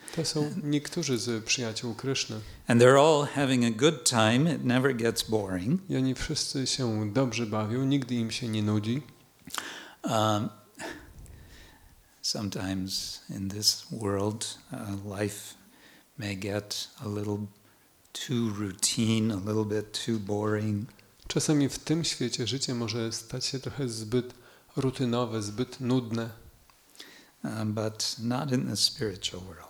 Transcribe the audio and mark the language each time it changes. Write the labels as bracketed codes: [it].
[pl] To są niektórzy z przyjaciół Kryszny. [en] And they're all having a good time. It never gets boring. [pl] I oni wszyscy się dobrze bawią. Nigdy im się nie nudzi. [en] Sometimes in this world, life may get a little too routine, a little bit too boring. [pl] Czasami w tym świecie życie może stać się trochę zbyt rutynowe, zbyt nudne. [en] But not in the spiritual world.